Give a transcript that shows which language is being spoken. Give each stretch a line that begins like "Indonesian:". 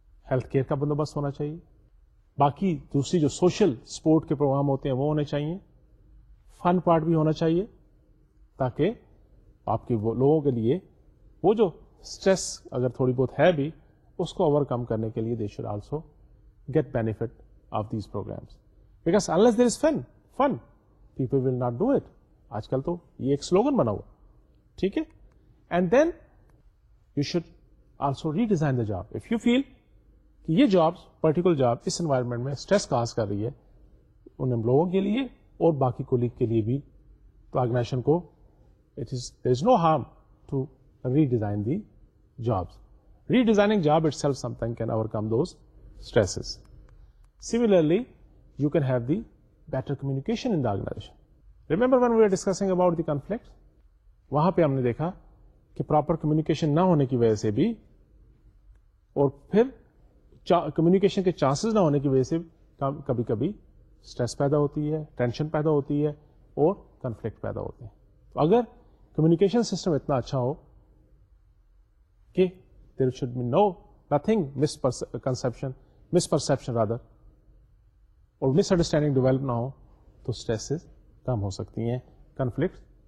Urdu: Health care کا بندوبست ہونا چاہیے, باقی دوسری جو سوشل سپورٹ کے پروگرام ہوتے ہیں وہ ہونے چاہیے, فن پارٹ بھی ہونا چاہیے تاکہ آپ کے لوگوں کے لیے وہ جو اسٹریس اگر تھوڑی بہت ہے بھی اس کو اوور کم کرنے کے لیے
English: They should also get benefit of these programs. Because unless there is fun people will not do it.
Urdu: آج کل تو یہ ایک سلوگن بنا ہوا, ٹھیک ہے.
English: And then you should also redesign the job. If you feel
Urdu: کہ یہ جابس پرٹیکولر جاب اس انوائرمنٹ میں اسٹریس کاز کر رہی ہے ان لوگوں کے لیے اور باقی کولیگ کے لیے بھی, تو آرگنائزیشن کو
English: It is there is no harm to redesign the jobs. Redesigning job itself something can overcome those stresses. Similarly you can have the better communication in the organization. Remember when we were discussing about the conflict?
Urdu: وہاں پہ ہم نے دیکھا کہ proper communication نہ ہونے کی وجہ سے بھی, اور پھر communication کے chances نہ ہونے کی وجہ سے کبھی کبھی stress پیدا ہوتی ہے, tension پیدا ہوتی ہے اور conflict پیدا ہوتے ہیں. تو اگر communication system اتنا اچھا ہو کہ
English: there should be no nothing misconception, misperception rather,
Urdu: اور مس انڈرسٹینڈنگ ڈیولپ نہ ہو, تو اسٹریسز کم ہو سکتی ہیں, کنفلکٹ